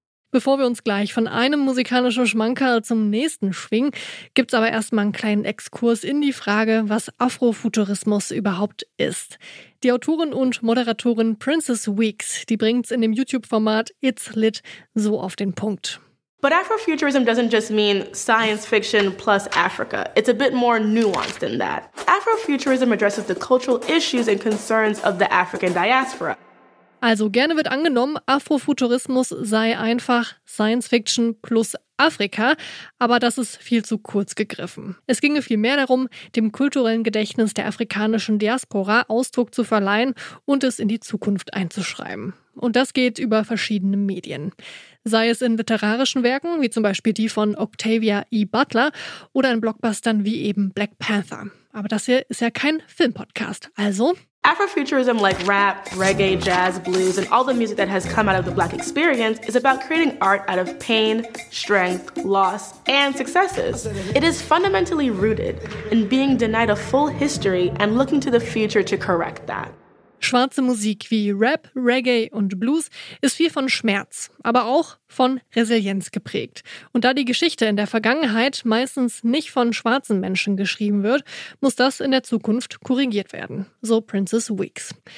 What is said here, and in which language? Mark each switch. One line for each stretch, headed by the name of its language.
German: Bevor wir uns gleich von einem musikalischen Schmankerl zum nächsten schwingen, gibt's aber erstmal einen kleinen Exkurs in die Frage, was Afrofuturismus überhaupt ist. Die Autorin und Moderatorin Princess Weeks, die bringt's in dem YouTube-Format It's Lit so auf den Punkt.
English: But Afrofuturism doesn't just mean science fiction plus Africa. It's a bit more nuanced than that. Afrofuturism addresses the cultural issues and concerns of the African diaspora.
German: Also gerne wird angenommen, Afrofuturismus sei einfach Science Fiction plus Afrika, aber das ist viel zu kurz gegriffen. Es ginge vielmehr darum, dem kulturellen Gedächtnis der afrikanischen Diaspora Ausdruck zu verleihen und es in die Zukunft einzuschreiben. Und das geht über verschiedene Medien. Sei es in literarischen Werken, wie zum Beispiel die von Octavia E. Butler, oder in Blockbustern wie eben Black Panther. Aber das hier ist ja kein Filmpodcast, also...
English: Afrofuturism, like rap, reggae, jazz, blues, and all the music that has come out of the Black experience, is about creating art out of pain, strength, loss, and successes. It is fundamentally rooted in being denied a full history and looking to the future to correct that.
German: Schwarze Musik wie Rap, Reggae und Blues ist viel von Schmerz, aber auch von Resilienz geprägt. Und da die Geschichte in der Vergangenheit meistens nicht von schwarzen Menschen geschrieben wird, muss das in der Zukunft korrigiert werden, so Princess Weeks.